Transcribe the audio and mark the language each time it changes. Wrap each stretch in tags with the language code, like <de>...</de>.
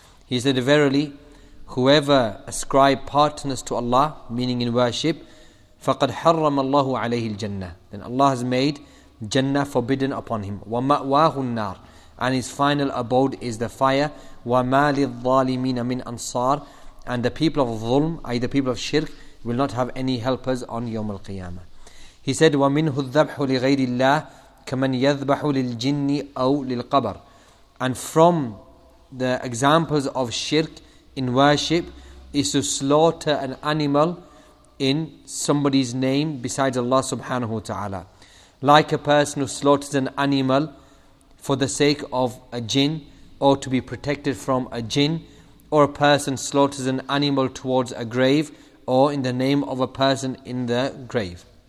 <en>He said, verily whoever ascribe partners to Allah, meaning in worship,</en> <ar>faqad harrama Allah alayhi al-jannah,</ar> <en>then Allah has made jannah forbidden upon him,</en> <ar>wa ma'wahu an-nar,</ar> <en>and his final abode is the fire,</en> <ar>wa ma lil-zalimin min ansar,</ar> <en>and the people of dhulm, i.e. the people of shirk, will not have any helpers on yawm al-qiyamah. He said,</en> <ar>وَمِنْهُ الذَّبْحُ لِغَيْرِ اللَّهِ كَمَنْ يَذْبَحُ لِلْجِنِّ أَوْ لِلْقَبَرِ.</ar> <en>And from the examples of shirk in worship is to slaughter an animal in somebody's name besides Allah subhanahu wa ta'ala. Like a person who slaughters an animal for the sake of a jinn, or to be protected from a jinn, or a person slaughters an animal towards a grave, or in the name of a person in the grave.</en>